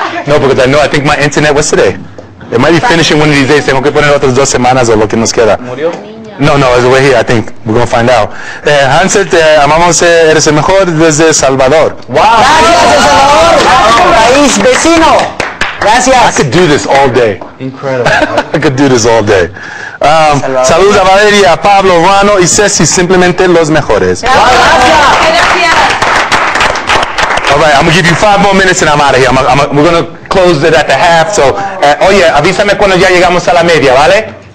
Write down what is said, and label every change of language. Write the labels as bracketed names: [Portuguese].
[English] No, because I know, I think my internet, what's today? It might be finishing one of these days. [Spanish] Tengo que poner otras 2 semanas o lo que nos queda. ¿Murió? [English] No, no, it's over here, I think. We're going to find out. [Spanish] Hansel, te amamos, eres el mejor desde Salvador. [English] Wow. [Spanish] Gracias, Salvador. Wow. País vecino. Gracias. [English] I could do this all day. Incredible. I could do this all day. [Spanish] Saludos a Valeria, Pablo, Rano y Ceci, simplemente los mejores. Gracias. [English] All right, I'm gonna give you 5 more minutes and I'm out of here. We're gonna close it at the half. [Spanish] So, oye, avísame cuando ya llegamos a la media, ¿vale?